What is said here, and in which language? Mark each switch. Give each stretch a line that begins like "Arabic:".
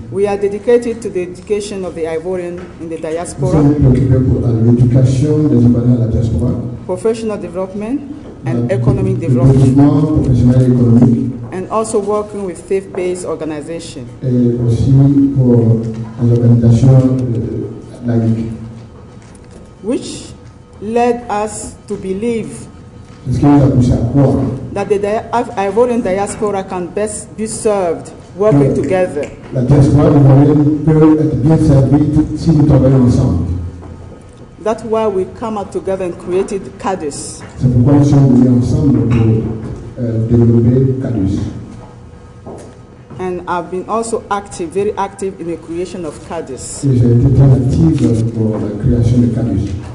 English: We are dedicated to the education of the Ivorian in the diaspora.
French: Nous sommes préoccupés pour l'éducation des Ivoiriens à la diaspora.
English: Professional development and economic development.
French: Professionnel et économique.
English: And also working with faith-based organizations.
French: Et aussi pour les organisations laïques.
English: Which led us to believe that the Ivorian diaspora can best be served working together.
French: La diaspora ivoirienne peut être bien servie si nous travaillons ensemble.
English: That's why we come out together and created CADUS.
French: C'est pourquoi nous sommes venus ensemble pour développer CADUS.
English: And I've been also active, very active in the creation of CADUS.
French: J'ai été très active pour la création de CADUS.